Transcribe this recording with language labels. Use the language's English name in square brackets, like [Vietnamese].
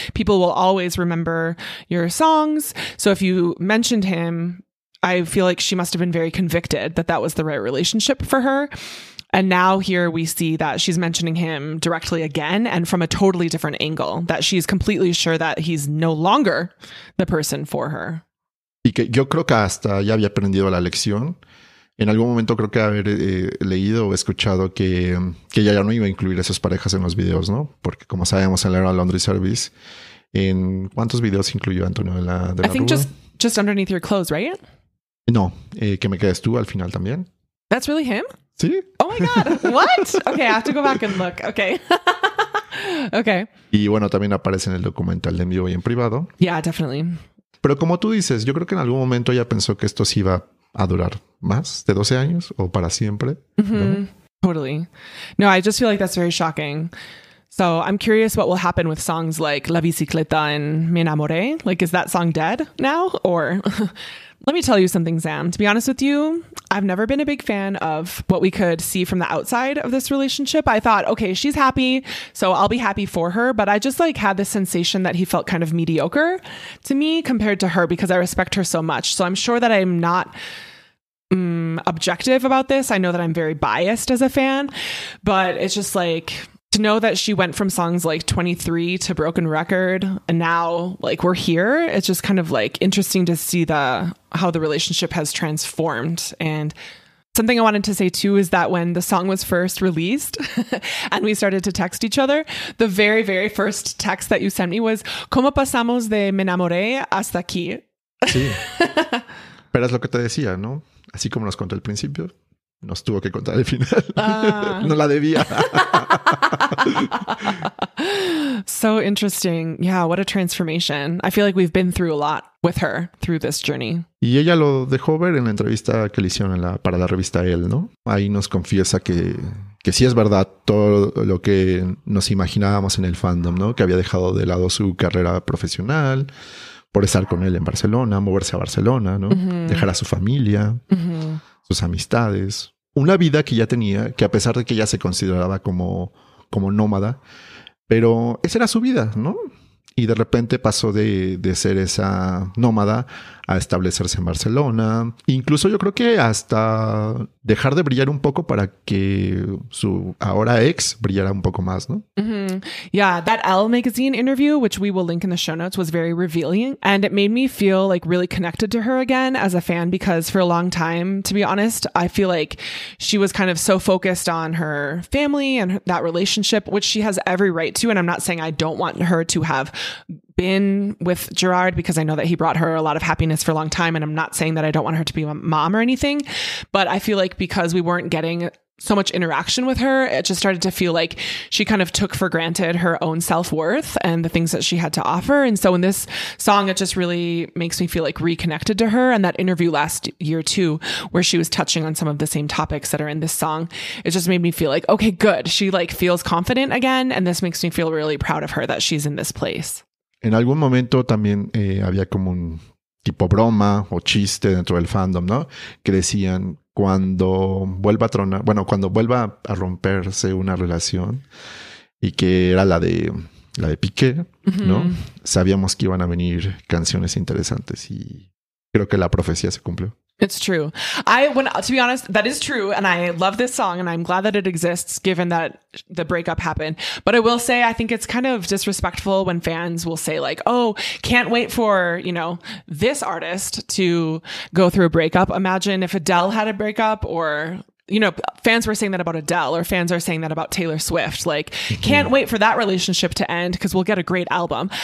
[English] People will always remember your songs. So if you mentioned him, I feel like she must have been very convicted that that was the right relationship for her. And now here we see that she's mentioning him directly again and from a totally different angle, that she's completely sure that he's no longer the person for her. [Spanish] Y que yo creo que hasta ya había aprendido la lección. En algún momento creo que haber leído o escuchado que ella ya no iba a incluir a esas parejas en los videos, ¿no? Porque como sabemos, en la era Laundry Service, ¿en cuántos videos incluyó Antonio de la Rúa? [English] I think just underneath your clothes, right? [Spanish] No, que me quedes tú al final también. [English] That's really him? [Spanish] Sí. [English] Oh my God, what? Okay, I have to go back and look. Okay. Okay. [Spanish] Y bueno, también aparece en el documental de En Vivo y en Privado. [English] Yeah, definitely. [Spanish] Pero como tú dices, yo creo que en algún momento ella pensó que esto sí iba a durar más de 12 años o para siempre. Mm-hmm. ¿No? [English] Totally. No, I just feel like that's very shocking. So I'm curious what will happen with songs like La Bicicleta and Me Enamoré. Like, is that song dead now? Or let me tell you something, Sam. To be honest with you, I've never been a big fan of what we could see from the outside of this relationship. I thought, okay, she's happy, so I'll be happy for her. But I just like had this sensation that he felt kind of mediocre to me compared to her because I respect her so much. So I'm sure that I'm not objective about this. I know that I'm very biased as a fan, but it's just like, to know that she went from songs like 23 to Broken Record and now like we're here, it's just kind of like interesting to see the how the relationship has transformed. And something I wanted to say too is that when the song was first released and we started to text each other, the very, very first text that you sent me was [Spanish] ¿Cómo pasamos de me enamoré hasta aquí? Sí. Pero es lo que te decía, ¿no? Así como nos contó al principio, nos tuvo que contar el final. No la debía. [English] So interesting. Yeah, what a transformation. I feel like we've been through a lot with her through this journey. [Spanish] Y ella lo dejó ver en la entrevista que le hicieron para la revista Elle, ¿no? Ahí nos confiesa que sí es verdad todo lo que nos imaginábamos en el fandom, ¿no? Que había dejado de lado su carrera profesional por estar con él en Barcelona, moverse a Barcelona, ¿no? Uh-huh. Dejar a su familia, uh-huh. sus amistades. Una vida que ya tenía, que a pesar de que ella se consideraba como nómada, pero esa era su vida, ¿no? Y de repente pasó de ser esa nómada a establecerse en Barcelona. Incluso yo creo que hasta dejar de brillar un poco para que su ahora ex brillara un poco más, ¿no? Mm-hmm. [English] Yeah, that Elle magazine interview, which we will link in the show notes, was very revealing. And it made me feel like really connected to her again as a fan, because for a long time, to be honest, I feel like she was kind of so focused on her family and that relationship, which she has every right to. And I'm not saying I don't want her to have been with Gerard, because I know that he brought her a lot of happiness for a long time. And I'm not saying that I don't want her to be a mom or anything, but I feel like because we weren't getting so much interaction with her, it just started to feel like she kind of took for granted her own self-worth and the things that she had to offer. And so in this song, it just really makes me feel like reconnected to her. And that interview last year too, where she was touching on some of the same topics that are in this song, it just made me feel like, okay, good. She like feels confident again. And this makes me feel really proud of her that she's in this place. [Spanish] En algún momento también había como un tipo broma o chiste dentro del fandom, ¿no? Que decían, cuando vuelva a tronar, bueno, cuando vuelva a romperse una relación, y que era la de Piqué, ¿no? Uh-huh. Sabíamos que iban a venir canciones interesantes y creo que la profecía se cumplió. [English] It's true. To be honest, that is true. And I love this song and I'm glad that it exists given that the breakup happened. But I will say, I think it's kind of disrespectful when fans will say like, oh, can't wait for, you know, this artist to go through a breakup. Imagine if Adele had a breakup, or, you know, fans were saying that about Adele, or fans are saying that about Taylor Swift, like, can't wait for that relationship to end because we'll get a great album.